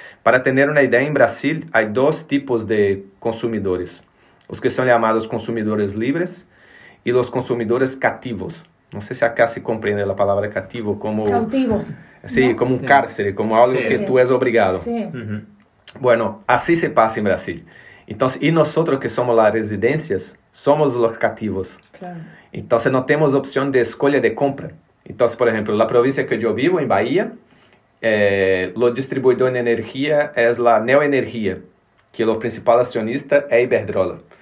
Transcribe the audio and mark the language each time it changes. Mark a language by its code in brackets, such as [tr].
[es] Para tener una idea, en Brasil hay dos tipos de consumidores. [pt] Os que são chamados consumidores livres e os consumidores cativos. Não sei se acá se compreende a palavra cativo como... [es] Cautivo. [pt] Sim, sí, como um cárcere, como algo, sí, que tu és obrigado. Sim. Sí. Uh-huh. Bueno, assim se passa em Brasil. Então, e nós que somos as residências, somos os cativos. [es] Claro. [pt] Então, não temos opção de escolha de compra. Então, por exemplo, na província que eu vivo, em Bahia, [es] Lo distribuidor en energía es la Neoenergia, que lo principal accionista es Iberdrola.